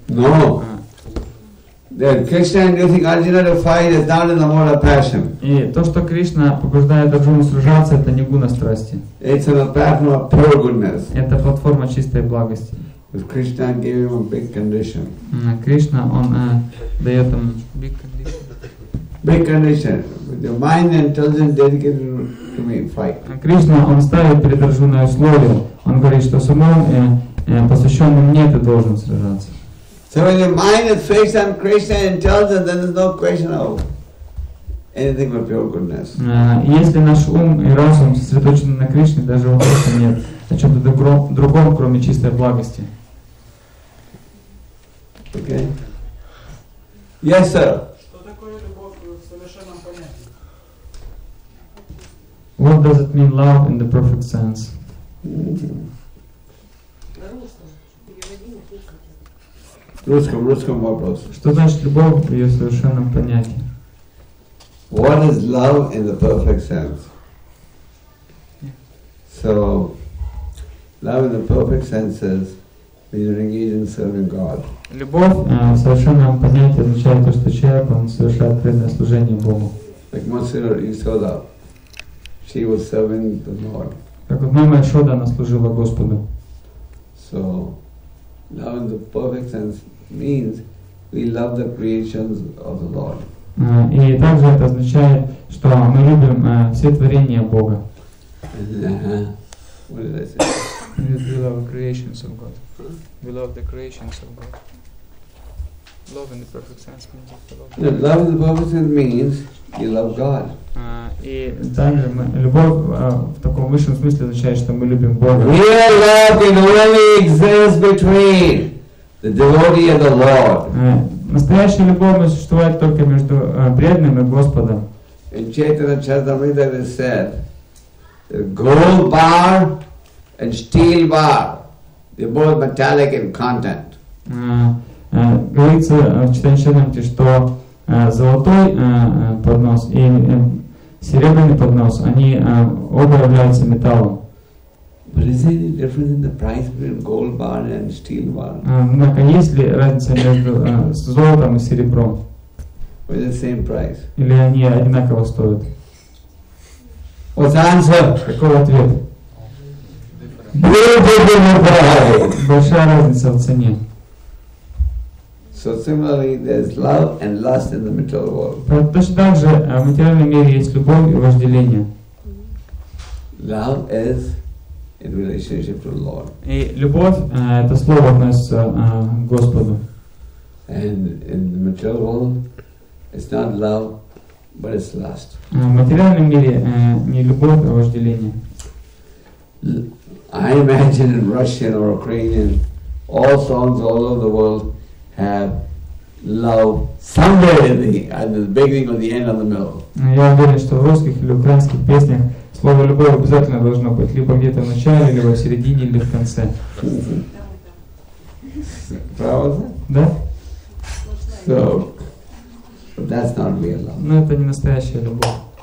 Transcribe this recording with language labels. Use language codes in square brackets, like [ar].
[en] No. Then Krishna inducing Arjuna to fight is not in the mode of passion. [ru] И то, что Кришна побуждает Арджуну сражаться, это не гуна страсти. [en] It's a platform of pure goodness. [ru] Это платформа чистой благости. [en] Because Krishna gave him a big condition. [ru] Кришна, он дает ему [en] big condition. Big condition. With your mind and intelligence dedicated to me, fight. [ru] Кришна, он ставит перед Арджуной условия. Он говорит, что с умом, посвященным мне, ты должен сражаться. [en] So when your mind is fixed on Krishna and intelligence, then there's no question of anything but pure goodness. [ru] Если наш ум и разум сосредоточены на Кришне, даже вопроса нет о чем-то другом, кроме чистой благости. [en] Okay. Yes, sir. [ru] Что такое любовь в совершенном понятии? [en] What does it mean love in the perfect sense? [ru] Русском вопрос. Что значит любовь в ее совершенном понятии? [en] What is love in the perfect sense? Yeah. So, Love in the perfect sense is being an serving God. [ru] Любовь в совершенном понятии означает то, что человек он совершает преданное служение Богу. [en] Like Monsignor Isoda, she was serving the Lord. [ru] Как вот мама Ишода, она служила Господу. [en] So, love in the perfect sense means we love the creations of the Lord. [ru] И также это означает, что мы любим все творения Бога. [en] What did I say? We love the creations of God. We love the creations of God. Love in the perfect sense means love. Yeah, love in the perfect sense means you love God. [ru] И также любовь в таком высшем смысле означает, что мы любим Бога. [en] Real love only exists between the devotee and the Lord. [ru] Настоящая любовь существует только между преданным и Господом. [en] In Chaitanya Charitamrita it is said, the gold bar and steel bar, they are both metallic in content. [ru] Говорится в Chaitanya Charitamrita, что золотой поднос и серебряный поднос, они оба являются металлом. [en] But is there any difference in the price between gold bar and steel bar? [ru] Однако, есть ли разница между золотом и серебром? [en] Or is it the same price? [ru] Или они одинаково стоят? [en] What's the answer? [ru] Какой ответ? [en] Different. [ru] Большая разница в цене. [en] So similarly, there's love and lust in the material world. [ru] Точно так же в материальном мире есть любовь и вожделение. [en] Love is in relationship to the Lord. [ru] И любовь это слово относится к Господу. [en] And in the material world, it's not love, but it's lust. [ru] В материальном мире не любовь, а вожделение. [en] I imagine in Russian or Ukrainian, all songs all over the world have love somewhere in the at the beginning or the end of the middle. [ru] Я уверен, что в русских или украинских песнях слово «любовь» обязательно должно быть либо где-то в начале, либо в середине, или в конце. Правда? Да. [en] So, but that's not real love. [ru] Но это не настоящая любовь.